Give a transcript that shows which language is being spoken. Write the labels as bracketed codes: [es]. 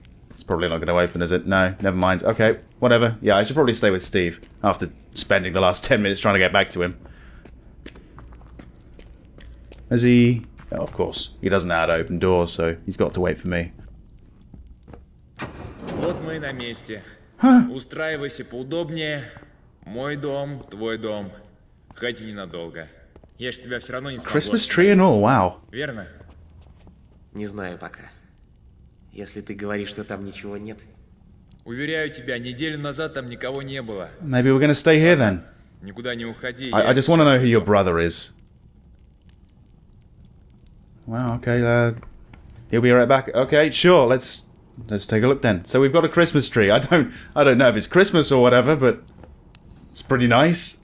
[en] It's probably not going to open, is it? No, never mind. Okay, whatever. Yeah, I should probably stay with Steve after spending the last 10 minutes trying to get back to him. Has he... Oh, of course. He doesn't know how to open doors, so he's got to wait for me. [ru] Вот мы на месте. Устраивайся поудобнее. Мой дом, твой дом. Хоть и ненадолго. Я ж тебя все равно не смогу. [en] Christmas tree and all, wow. [ru] Верно? Не знаю пока. Если ты говоришь, что там ничего нет. Уверяю тебя, неделю назад там никого не было. [en] Maybe we're gonna stay here then. [ru] Никуда не уходи. [en] I just wanna know who your brother is. Wow, okay, he'll be right back. Okay, sure, let's take a look then. So we've got a Christmas tree. I don't know if it's Christmas or whatever, but it's pretty nice.